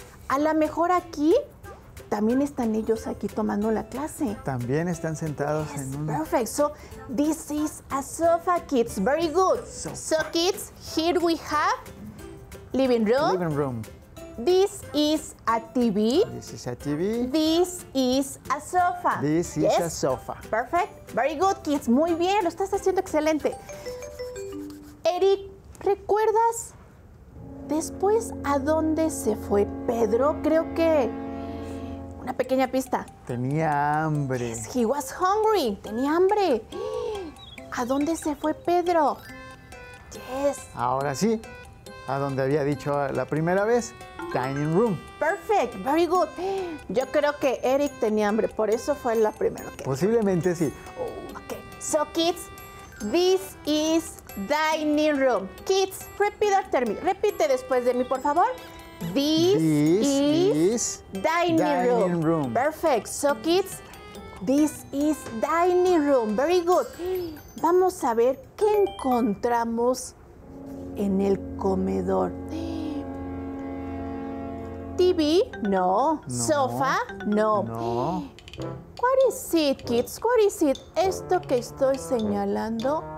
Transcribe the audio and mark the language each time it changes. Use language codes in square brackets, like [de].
[es] A lo mejor aquí también están ellos aquí tomando la clase. También están sentados [en] yes, [es] en un... [en] Perfect. So, this is a sofa, kids. Very good. Sofa. So, kids, here we have living room. Living room. This is a TV. This is a TV. This is a sofa. This is yes? a sofa. Perfect. Very good, kids. [es] Muy bien. Lo estás haciendo excelente. Eric, ¿recuerdas después a dónde se fue Pedro? Creo que... Una pequeña pista. Tenía hambre. [en] Yes, he was hungry. [es] Tenía hambre. ¿A dónde se fue Pedro? [en] Yes. [es] Ahora sí. ¿A dónde había dicho la primera vez? [en] Dining room. Perfect. Very good. [es] Yo creo que Eric tenía hambre. Por eso fue la primera. Okay. Posiblemente sí. [en] Ok. So, kids, this is dining room. Kids, repeat after me. [es] Repite después de mí, por favor. [en] This is dining room. Perfect. So, kids, this is dining room. Very good. [es] Vamos a ver qué encontramos en el comedor. [en] TV? No. No. Sofa? No. No. What is it, kids? What is it? [es] Esto que estoy señalando.